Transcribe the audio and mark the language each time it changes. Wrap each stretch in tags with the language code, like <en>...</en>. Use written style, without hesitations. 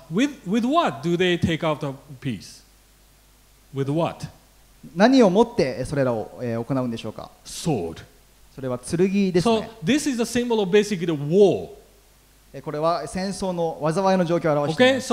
<en>With what do they take out the peace? With what?</en> <ja>何を持ってそれらを行うんでしょうか?</ja> <en>Sword.</en> <ja>それは剣ですね。</ja> <en>So this is a symbol of basically the war.</en> <ja>これは戦争の災いの状況を表しています。</ja>